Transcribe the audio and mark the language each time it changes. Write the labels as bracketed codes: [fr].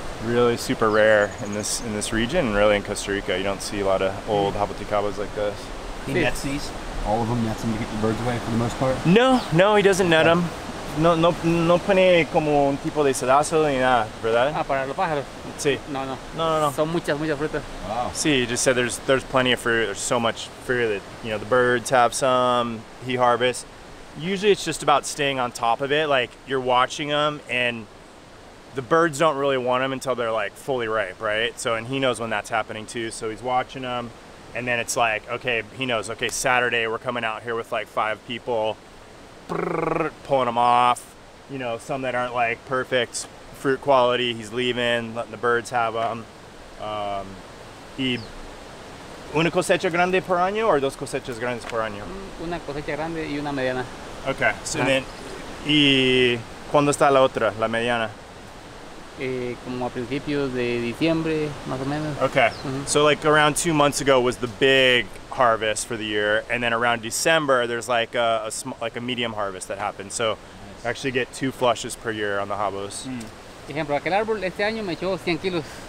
[en] Really super rare in this region, really in Costa Rica. You don't see a lot of old Japoticabas like this. He nets these? All of them nets them to get the birds away for the most part? No, he doesn't net them. [es] No pone como un tipo de sedazo ni nada, ¿verdad? Ah, para los pájaros. Sí. No. Son muchas frutas. [en] Wow. [es] Sí, [en] he just said there's plenty of fruit. There's so much fruit that, you know, the birds have some, he harvests. Usually it's just about staying on top of it. Like, you're watching them, and the birds don't really want them until they're, like, fully ripe, right? So, and he knows when that's happening, too. So he's watching them, and then it's like, okay, he knows, okay, Saturday we're coming out here with, like, 5 people. Pulling them off, you know, some that aren't like perfect fruit quality, he's leaving, letting the birds have them. [es] Una cosecha grande por año [en] or [es] dos cosechas grandes por año? Una cosecha grande y una mediana. [en] Okay, so uh-huh. Then, [es] ¿y cuándo está la otra, la mediana? Como a principios de diciembre, más o menos. [en] Okay, uh-huh. So like around 2 months ago was the big harvest for the year, and then around December there's like a medium harvest that happens. So nice. I actually get 2 flushes per year on the habos. [es] Ejemplo, aquel árbol este año me echó 100 kilos.